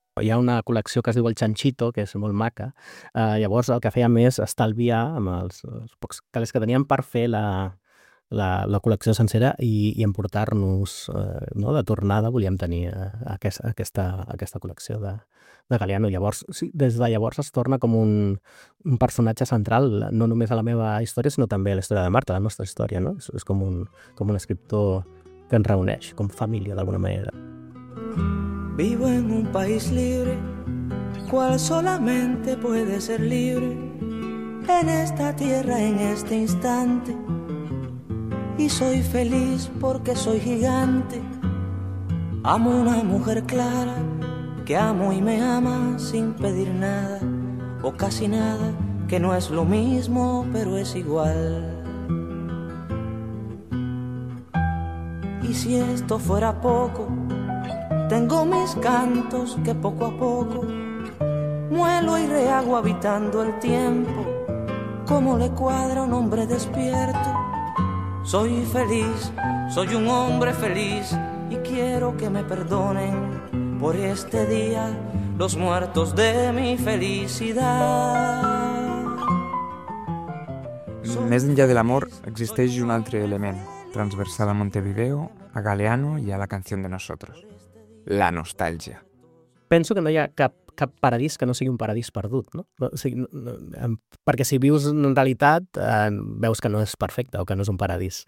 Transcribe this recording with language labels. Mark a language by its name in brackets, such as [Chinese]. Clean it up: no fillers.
[Catalan] Hi ha una col·lecció que es diu El Chanchito, que és molt maca. Llavors el que feia més estalviar amb els pocs calés que teníem per fer la col·lecció sencera i emportar-nos, no, de tornada volíem tenir aquesta col·lecció de Galeano. Llavors, sí, des de llavors es torna com un personatge central, no només a la meva història, sinó també a la història de Marta, la nostra història, no? És com un escriptor que ens reuneix, com família, d'alguna manera. [Spanish] Vivo en un país libre, cual solamente puede ser libre, en esta tierra, en este instante. Y soy feliz porque soy gigante. Amo una mujer clara que amo y me ama sin pedir nada o casi nada, que no es lo mismo pero es igual. Y si esto fuera poco, tengo mis cantos que poco a poco muelo y rehago habitando el tiempo como le cuadra a un hombre despierto. Soy feliz, soy un hombre feliz y quiero que me perdonen por este día los muertos de mi felicidad. [Catalan] Més enllà de l'amor, existeix un altre element transversal a Montevideo, a Galeano i a la Canción de Nosotros: la nostàlgia. Penso que no hi ha cap paradís que no sigui un paradís perdut, no? O sigui, perquè si vius en realitat, veus que no és perfecte o que no és un paradís.